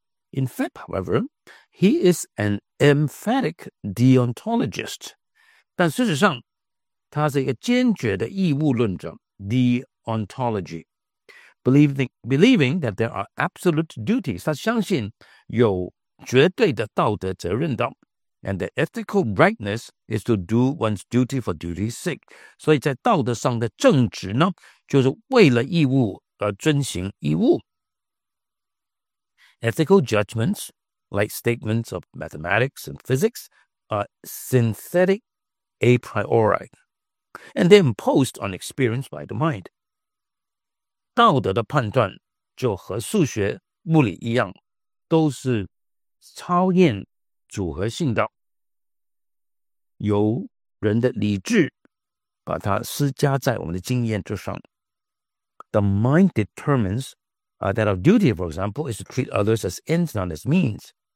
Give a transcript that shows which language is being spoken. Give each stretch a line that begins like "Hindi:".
English: In fact, however, he is an emphatic deontologist.
Chinese: 但事实上，他是一个坚决的义务论者
English: deontology, believing that there are absolute duties.
Chinese: 他相信有绝对的道德责任的
English: and the ethical rightness is to do one's duty for duty's sake.
Chinese: 所以在道德上的正直呢，就是为了义务遵行义务.
English: Ethical judgments, like statements of mathematics and physics, are synthetic a priori, and they're imposed on experience by the mind.
Chinese: 道德的判断就和数学、物理一样, 都是超验组合性的, 由人的理智把它施加在我们的经验之上.
English: The mind determines that our duty, for example, is to treat others as ends, not as means.